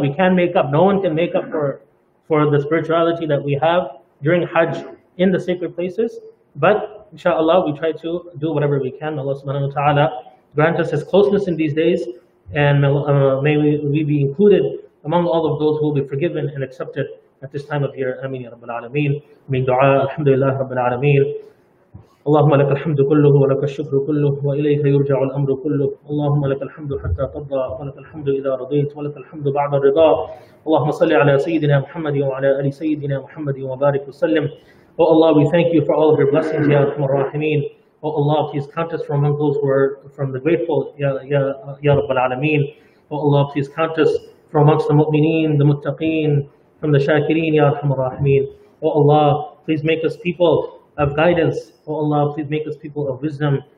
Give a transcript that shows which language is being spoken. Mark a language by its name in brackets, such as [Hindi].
[English] We can make up. No one can make up for the spirituality that we have during Hajj in the sacred places. But inshallah, we try to do whatever we can. Allah subhanahu wa ta'ala grant us His closeness in these days. And may we be included among all of those who will be forgiven and accepted at this time of year. Ameen ya Rabbil Alameen. Ameen dua. Alhamdulillah Rabbil Alameen. [Arabic] اللهم لك الحمد كله ولك الشكر كله وإليك يرجع الأمر كله اللهم لك الحمد حتى ترضى ولك الحمد إذا رضيت ولك الحمد بعد الرضا اللهم صل على سيدنا محمد وعلى آل سيدنا محمد وبارك وسلم. [English] Oh Allah, we thank you for all of your blessings, Ya Rahman Rahimeen. Oh Allah, please count us from among those who are from the grateful, Ya Rabbal Alameen. Oh Allah, please count us from amongst the mu'mineen, the muttaqeen, from the shakireen, Ya Rahman Rahimeen. Oh Allah, please make us people of guidance. Oh Allah, please make us people of wisdom.